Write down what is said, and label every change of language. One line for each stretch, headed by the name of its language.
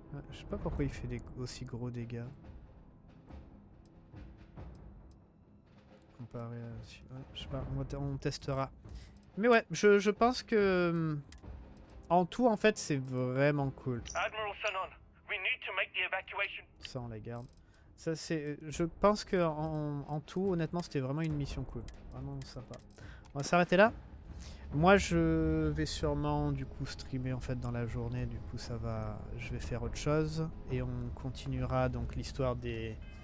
French: Je sais pas pourquoi il fait des aussi gros dégâts. On testera. Mais ouais, je pense que en tout en fait c'est vraiment cool.
English: Admiral Sonon, we need to make the evacuation.
French: Ça on la garde. Ça c'est, je pense que en tout honnêtement c'était vraiment une mission cool, vraiment sympa. On va s'arrêter là. Moi je vais sûrement du coup streamer en fait dans la journée. Du coup ça va, je vais faire autre chose et on continuera donc l'histoire des.